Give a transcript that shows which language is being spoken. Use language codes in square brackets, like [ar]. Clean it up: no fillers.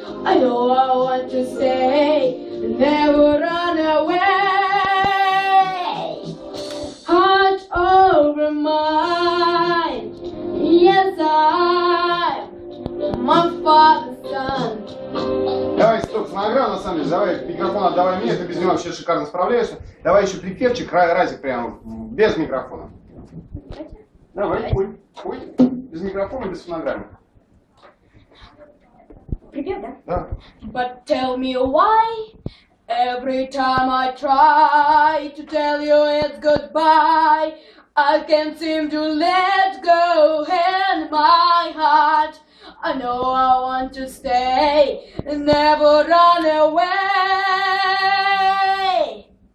[en] I know I want to stay, never run away. Heart over mine, yes, I'm my father's son. [ru] Давай, стоп, фонограмм, на самом деле, давай микрофон отдавай мне, ты без него вообще шикарно справляешься. Давай еще припевчик, разик прямо, без микрофона. Давай, пой, без микрофона, без фонограмма. Припев, да? Да. [en] But tell me why, every time I try to tell you it's goodbye, I can't seem to let go in my heart. I know I want to stay and never run away.